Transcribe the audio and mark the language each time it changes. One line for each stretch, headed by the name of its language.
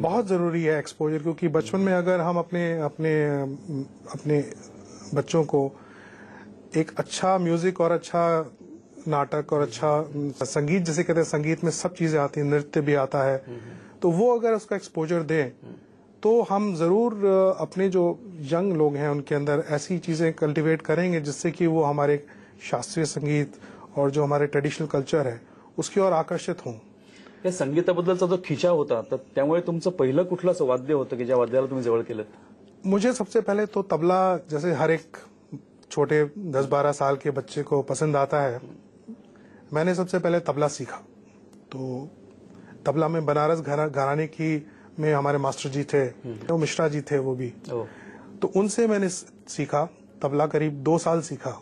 Hindi: बहुत जरूरी है एक्सपोजर, क्योंकि बचपन में अगर हम अपने अपने अपने बच्चों को एक अच्छा म्यूजिक और अच्छा नाटक और अच्छा संगीत, जैसे कहते हैं संगीत में सब चीजें आती हैं, नृत्य भी आता है, तो वो अगर उसका एक्सपोजर दें तो हम जरूर अपने जो यंग लोग हैं उनके अंदर ऐसी चीजें कल्टीवेट करेंगे जिससे कि वो हमारे शास्त्रीय संगीत और जो हमारे ट्रेडिशनल कल्चर है उसकी ओर आकर्षित हूँ।
Marathi: या संगीताबद्दलचा जो खिचाव होता तर त्यामुळे तुमचं पहिलं कुठलं असं वाद्य होतं की ज्या वाद्याला तुम्ही जवळ केलं?
Hindi: मुझे सबसे पहले तो तबला, जैसे हर एक छोटे 10-12 साल के बच्चे को पसंद आता है, मैंने सबसे पहले तबला सीखा। तो तबला में बनारस घराने की में हमारे मास्टर जी थे, वो मिश्रा जी थे, वो भी तो उनसे मैंने सीखा तबला, करीब 2 साल सीखा।